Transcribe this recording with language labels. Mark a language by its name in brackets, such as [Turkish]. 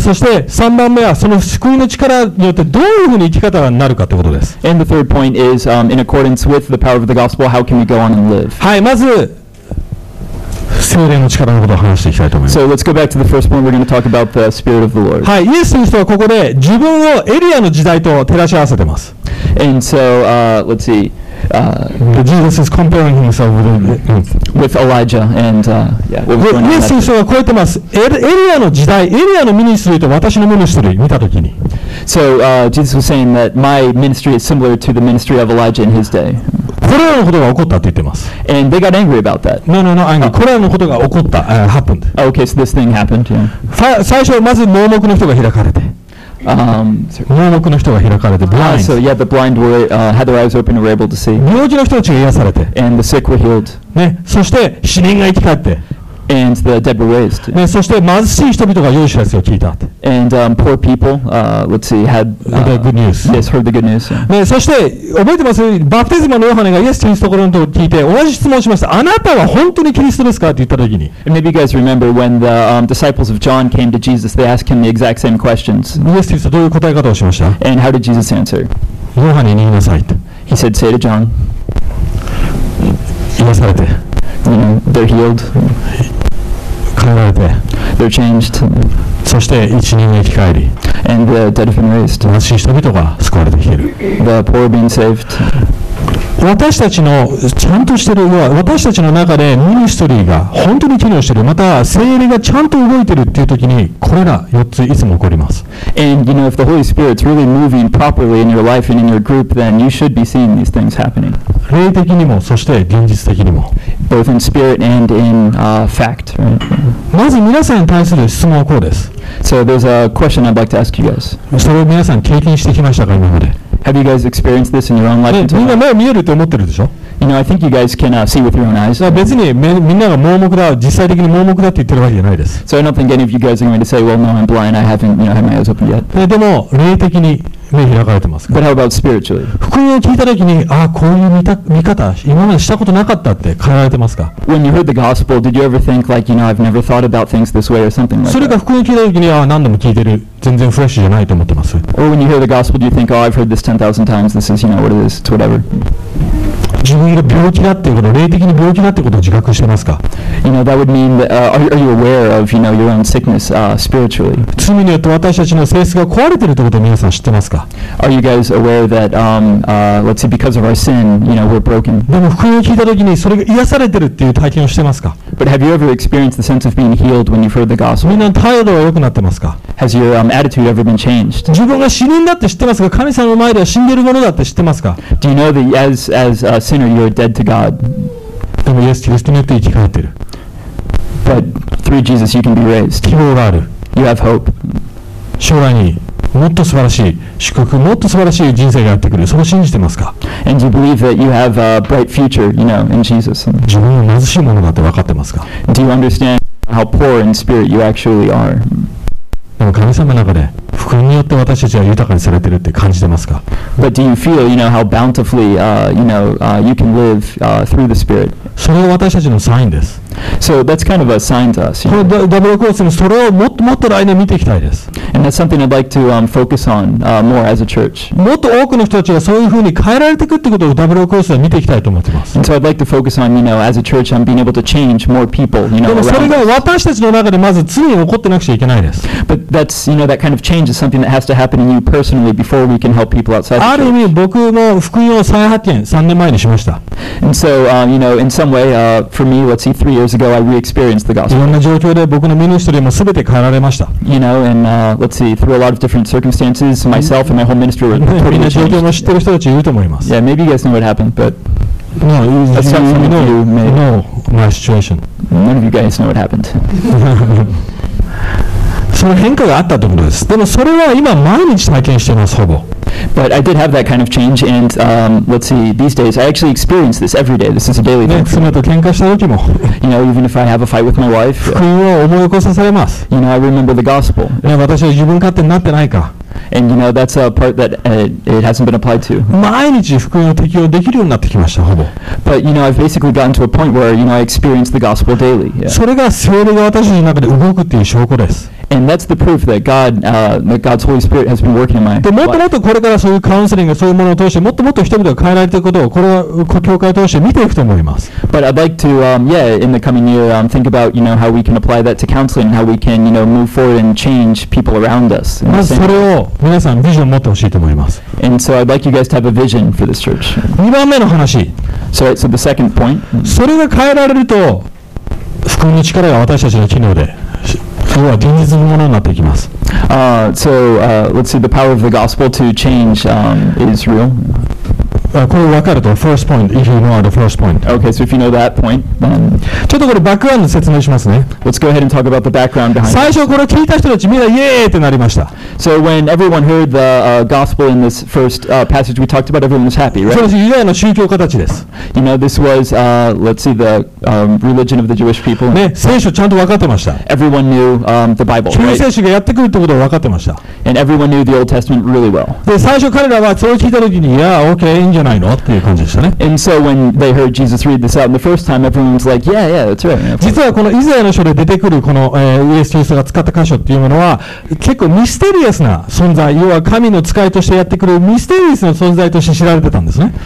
[Japanese] そして三番目はその救いの力によってどういうふうに生き方になるかということです。 [English] And the third point is, in accordance with the power of the gospel, how can we go on and live? [Japanese] はい、まず聖霊の力のことを話していきたいと思います。 [English] So let's go back to the first point. We're going to talk about the Spirit of the Lord. [Japanese] はい、イエスの人はここで自分をエリアの時代と照らし合わせてます。 [English] And so, let's see. Jesus is comparing himself with Elijah and [Japanese] イエス聖書はこう言ってます。エリアの時代、エリアのミニストリーと私のミニストリー見たときに。 [English] So, Jesus was saying that my ministry is similar to the ministry of Elijah in his day. [Japanese] これらのことが起こったって言ってます。 [English] And they got angry about that. No, angry. [Japanese] これらのことが起こった、 [English] happened. Okay, so this thing happened, yeah. [Japanese] 最初はまず盲目の人が開かれて。盲目の人が開かれて、 [English] blind. So yeah, the blind were had their eyes open and were able to see. [Japanese] 病気の人たちが癒されて、 [English] and the sick were healed. [Japanese] ね、そして死人が生き返って、 [English] and the dead were raised. [Japanese] ね、そして貧しい人々が良い知らせを聞いたって、 [English] and poor people, let's see, had the good news. Yes, heard the good news. [Japanese] ね、そして覚えてます？バプテスマのヨハネがイエス・キリストのところに聞いて、同じ質問をしました。あなたは本当にキリストですか？って言った時に、 [English] and maybe you guys remember when the disciples of John came to Jesus, they asked him the exact same questions. [Japanese] イエス・キリストどういう答え方をしました？ [English] and how did Jesus answer? [Japanese] ヨハネに言いなさいと。 [English] He said, "Say to John." [Japanese] 癒されて。 [English] They're healed. [Japanese] 変えられて。 [English] They're changed. [Japanese] そして一人が生き返り。 [English] And the dead have been raised. [Japanese] 貧しい人々が救われてきている。 [English] The poor being saved. [Japanese] 私たちのちゃんとしてる、私たちの中でミニストリーが本当に機能している、また聖霊がちゃんと動いているっていう時に、これら4ついつも起こります。 [English] And you know, if the Holy Spirit's really moving properly in your life and in your group, then you should be seeing these things happening. [Japanese] 霊的にも、そして現実的にも。 [English] Both in spirit and in fact. [Japanese] まず皆さんに対する質問はこうです。 [English] So there's a question I'd like to ask you guys. [Japanese] それを皆さん経験してきましたか、今まで。 [English] Have you guys experienced this in your own life? [Japanese] みんな目見えると思ってるでしょ? [English] You know, I think you guys can see with your own eyes. [Japanese] 別にみんなが盲目だ、実際的に盲目だって言ってるわけじゃないです。 [English] So I don't think any of you guys are going to say, well, no, I'm blind, I haven't, you know, had my eyes open yet. [Japanese] でも、霊的に目開かれてますから。 [English] But how about spiritually? [Japanese] 福音を聞いたときに、ああ、こういう見方、今までしたことなかったって変えられてますか? [English] When you heard the gospel, did you ever think like, you know, I've never thought about things this way or something like that? [Japanese] それが福音を聞いたときに、ああ、何度も聞いてる。全然フレッシュじゃないと思ってます。 [English] Or when you hear the gospel, do you think, oh, I've heard this 10,000 times, this is, you know, what it is, it's whatever. [Japanese] 自分が病気だっていうこと、霊的に病気だっていうことを自覚してますか? [English] You know, that would mean that, are you aware of, you know, your own sickness, spiritually? [Japanese] 罪によって私たちの性質が壊れてるってことを皆さん知ってますか? [English] Are you guys aware that, let's say, because of our sin, you know, we're broken? [Japanese] でも福音を聞いたときにそれが癒されてるっていう体験をしてますか? [English] But have you ever experienced the sense of being healed when you've heard the gospel? [Japanese] みんな態度は良くなってますか? [English] Has your, attitude ever been changed? [Japanese] 自分が死人だって知ってますか?神様の前では死んでるものだって知ってますか? [English] Do you know that as a sinner you are dead to God? [Japanese] でもイエス・キリストによって生き返ってる。 [English] But through Jesus you can be raised. [Japanese] 希望がある。 [English] You have hope. [Japanese] 将来にもっと素晴らしい祝福、もっと素晴らしい人生がやってくる。それを信じてますか? [English] And you believe that you have a bright future, you know, in Jesus. [Japanese] 自分は貧しいものだって分かってますか? [English] Do you understand how poor in spirit you actually are? [Japanese] でも神様の中で福音によって私たちは豊かにされてるって感じてますか? [English] But do you feel, you know, how bountifully, you know, you can live, through the Spirit? [Japanese] それは私たちのサインです。 [English] So that's kind of a sign to us. [Japanese] このダブルコースのそれをもっともっと来年見ていきたいです。 [English] And that's something I'd like to, focus on, more as a church. [Japanese] もっと多くの人たちがそういうふうに変えられていくってことをダブルコースで見ていきたいと思ってます。 [English] And so I'd like to focus on, you know, as a church, on being able to change more people, you know, [Japanese] でもそれが私たちの中でまず常に起こってなくちゃいけないです。 [English] But that's, you know, that kind of change is something that has to happen in you personally before we can help people outside the church. [Japanese] ある意味僕も福音を再発見、3年前にしました。 [English] And so, you know, in some way, for me, let's see, 3 years ago, I re-experienced the gospel. [Japanese] いろんな状況で僕のミニストリーも全て変えられました。 [English] You know, and, let's see, through a lot of different circumstances, myself and my whole ministry were totally changed. [Japanese] みんな状況も知ってる人たちいると思います。 [English] Yeah, maybe you guys know what happened, but... No, that's not something that you may... No, my situation. None of you guys know what happened. [Japanese] その変化があったと思うんです。でもそれは今毎日体験しています、ほぼ。 [English] But I did have that kind of change, and let's see, these days I actually experience this every day. This is a daily thing. [Japanese] 妻と喧嘩した時も。 [English] You know, even if I have a fight with my wife. [Japanese] 福音を思い起こさされます。 [English] You know, I remember the gospel. [Japanese] いや、私は自分勝手になってないか。 [English] And you know, that's a part that it hasn't been applied to. [Japanese] 毎日福音を適用できるようになってきました、ほぼ。 [English] But you know, I've basically gotten to a point where you know I experience the gospel daily. Yeah. [Japanese] それが聖霊が私の中で動くっていう証拠です。 [English] And that's the proof that God, that God's Holy Spirit has been working in my life. [Japanese] もっともっとこれからそういうカウンセリングそういうものを通してもっともっと人々が変えられていくことをこれは教会を通して見ていくと思います。 [English] But I'd like to, in the coming year, think about, you know, how we can apply that to counseling, how we can, you know, move forward and change people around us. [Japanese] まずそれを皆さんビジョン持ってほしいと思います。 [English] And so I'd like you guys to have a vision for this church. [Japanese] 2番目の話。 [English] So the second point. [Japanese] それが変えられると福音の力が私たちの機能で。それは現実のものになっていきます。 [English] Let's see, the power of the gospel to change, is real. [Japanese] これ分かると、 [English] first point, if you know the first point. Okay, so if you know that point, then... [Japanese] ちょっとこれバックグラウンド説明しますね。 [English] Let's go ahead and talk about the background behind this. [Japanese] 最初これ聞いた人たちみんなイエーってなりました。 [English] So when everyone heard the, gospel in this first, passage we talked about, everyone was happy, right? [Japanese] そうです、ユダヤの宗教家たちです。 [English] You know, this was, let's see, the, religion of the Jewish people. [Japanese] ね、聖書ちゃんと分かってました。 [English] Everyone knew, the Bible, right? [Japanese] 旧聖書がやってくるってことを分かってました。 [English] And everyone knew the Old Testament really well. [Japanese] で、最初彼らはそれ聞いた時に、いや、OK、いいんじゃないのっていう感じでしたね。 [English] And so when they heard Jesus read this out in the first time, everyone was like, yeah, yeah, that's right. [Japanese] 実はこのイザヤの書で出てくるこの、イエス・キリストが使った箇所っていうものは、結構ミステリアスな存在、要は神の使いとしてやってくるミステリアスな存在として知られてたんですね。